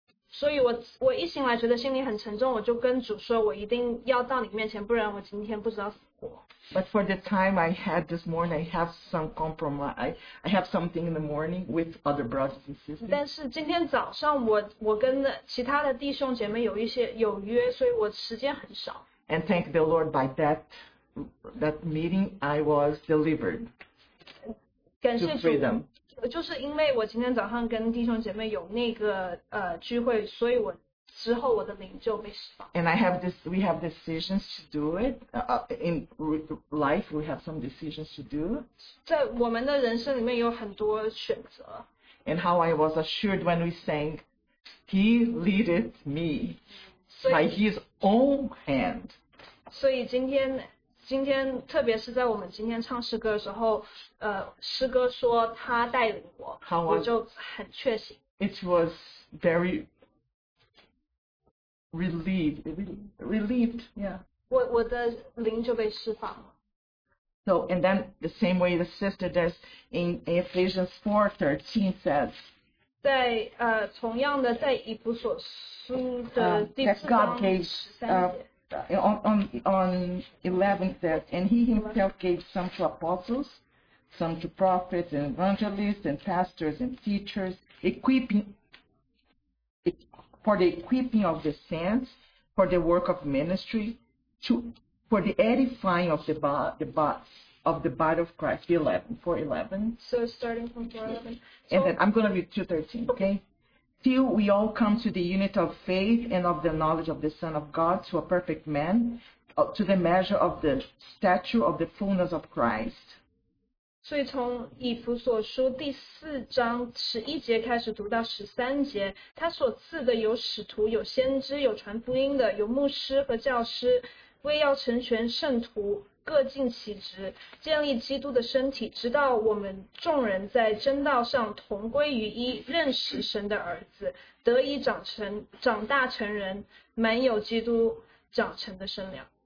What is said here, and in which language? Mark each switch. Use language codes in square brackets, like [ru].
[zh] 所以我一醒来觉得心里很沉重，我就跟主说，我一定要到你面前，不然我今天不知道死活。 [en] But for the time I had this morning, I have some compromise. I have something in the morning with other brothers and sisters. [zh] 但是今天早上我跟其他的弟兄姐妹有约，所以我时间很少。 [en] And thank the Lord, by that meeting, I was delivered to freedom. [zh] 就是因为我今天早上跟弟兄姐妹有那个聚会，所以我之后我的灵就被释放。 [en] And I have this, we have decisions to do it. In life, we have some decisions to do. [zh] 在我们的人生里面有很多选择。 [en] And how I was assured when we sang, He leadeth me by His own hand. [zh] 所以今天特别是在我们今天唱诗歌的时候，诗歌说他带领我，我就很确信。 [en] It was very relieved. Yeah. [zh] 我的灵就被释放了。 [en] So and then the same way the sister does in Ephesians 4:13 says. [zh] 在同样的在以弗所书的第四章十三节。 [en] On 11 says, and he himself gave some to apostles, some to prophets and evangelists and pastors and teachers, equipping of the saints for the work of ministry, for the edifying of the body of Christ. 4:11. So starting from 4:11. And then I'm going to read 2:13, okay? Till we all come to the unity of faith and of the knowledge of the Son of God, to a perfect man, to the measure of the stature of the fullness of Christ. [zh] 所以从以弗所书第四章十一节开始读到十三节，他所赐的有使徒，有先知，有传福音的，有牧师和教师，为要成全圣徒，各尽其职，建立基督的身体，直到我们众人在真道上同归于一，认识神的儿子，得以长大成人，满有基督长成的身量。